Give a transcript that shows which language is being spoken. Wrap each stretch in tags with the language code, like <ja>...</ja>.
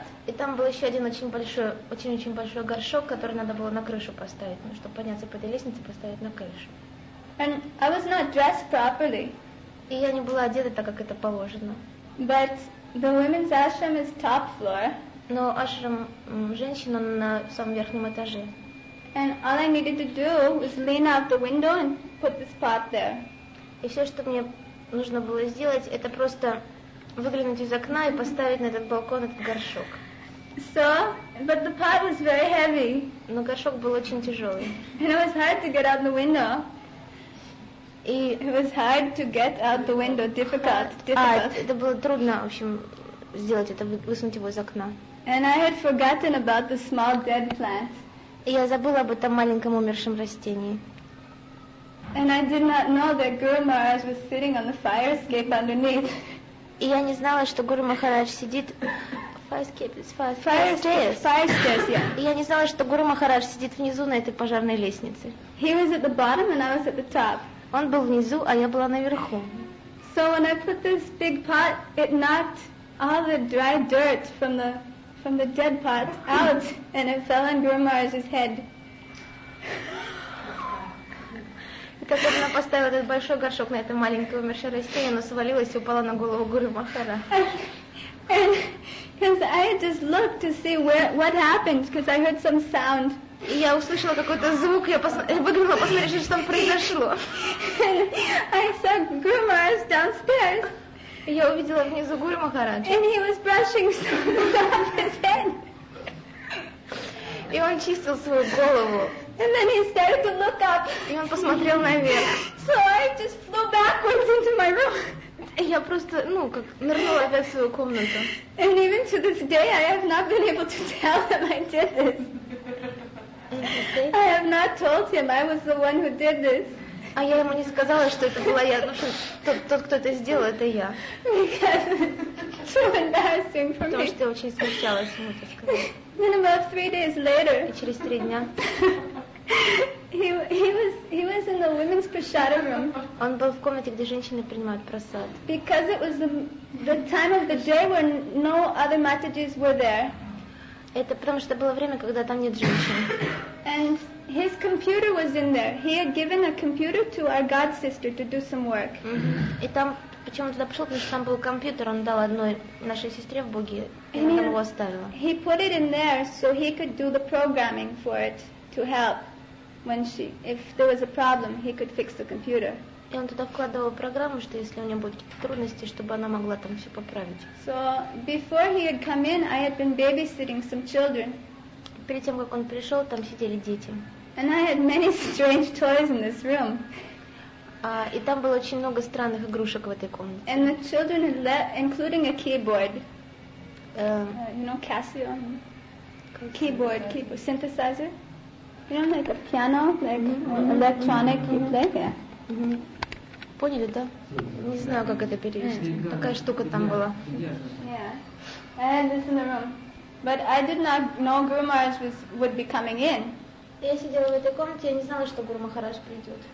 <ru>И там был еще один очень большой горшок, который надо было на крышу поставить, ну, чтобы подняться по этой лестнице, поставить на крышу.</ru> <en>And I was not dressed properly.</en> <ru>И я не была одета так, как это положено.</ru> <en>But the women's ashram is top floor.</en> <ru>Но ашрам женщина на самом верхнем этаже.</ru> <en>And all I needed to do was lean out the window and put this pot there.</en> <ru>И все, что мне нужно было сделать, это просто выглянуть из окна и поставить на этот балкон этот горшок.</ru> <en>So, but the pot was very heavy.</en> <ru>Но горшок был очень тяжелый.</ru> <en>And it was hard to get out the window.</en> <ru>И</ru> <en>it was hard to get out the window. Difficult.</en> <ru>Это было трудно, в общем, сделать это, высунуть его из окна.</ru> <en>And I had forgotten about the small dead plant.</en> <ru>И я забыла об этом маленьком умершем растении.</ru> <en>And I did not know that Guru Maharaj was sitting on the fire escape underneath.</en> <ru>И я не знала, что Гуру Махарадж сидит</ru> <en>fire stairs. Yeah.</en> <ru>И я не знала, что Гуру Махарадж сидит внизу на этой пожарной лестнице.</ru> <en>He was at the bottom and I was at the top.</en> <ru>Он был внизу, а я была наверху.</ru> <en>So when I put this big pot, it knocked all the dry dirt from the dead pot out, and it fell on Guru Maharaj's head.</en> <ru>Так вот, она поставила этот большой горшок на это маленькое умершее растение, оно свалилось и упало на голову Гуру Махара.</ru> <en>And because I just looked to see what happened, because I heard some sound.</en> <ru>И я услышала какой-то звук, я выглянула посмотреть, что там произошло.</ru> <en>And I saw Guru Maharaj downstairs.</en> <ru>Я увидела внизу Гуру Махараджа.</ru> <en>And he was brushing some stuff off his head.</en> <ru>И он чистил свою голову.</ru> <en>And then he started to look up.</en> <ru>И он посмотрел наверх.</ru> <en>So I just flew backwards into my room.</en> <ru>И я просто, ну, как нырнула опять в свою комнату.</ru> <en>And even to this day, I have not been able to tell him I did this. I have not told him I was the one who did this.</en> <ru>А я ему не сказала, что это была я, ну, тот, кто это сделал, это я. Потому что я очень смущалась ему это сказать.</ru> <en>Then about 3 days later.</en> <ru>И через 3 дня.</ru> <en>He was in the women's prasada room.</en> <ru>Он был в комнате, где женщины принимают прасад.</ru> <en>Because it was the time of the day when no other matajis were there.</en> <ru>Это потому что было время, когда там нет женщин.</ru> <en>And his computer was in there. He had given a computer to our god sister to do some work.</en> <ru>И там почему туда пошел, потому что там был компьютер, он дал одной нашей сестре в Боге, и она его оставила.</ru> <en>He put it in there so he could do the programming for it to help when she, if there was a problem, he could fix the computer.</en> <ru>И он туда вкладывал программу, что если у нее будут какие-то трудности, чтобы она могла там все поправить.</ru> <en>So before he had come in, I had been babysitting some children.</en> <ru>Перед тем, как он пришел, там сидели дети.</ru> <en>And I had many strange toys in this room.</en> <ru>И там было очень много странных игрушек в этой комнате.</ru> <en>And the children including a keyboard. You know Casio? Keyboard, synthesizer. You know, like a piano, like electronic, you play there.</en> <ru>Поняли, да? Не знаю, как это перевести. Такая штука там была.</ru> <en>Yeah. And this in the room. But I did not know Guru Maharaj would be coming in.</en> <ru>Я сидела в этой комнате, я не знала, что Гуру Махарадж придет.</ru>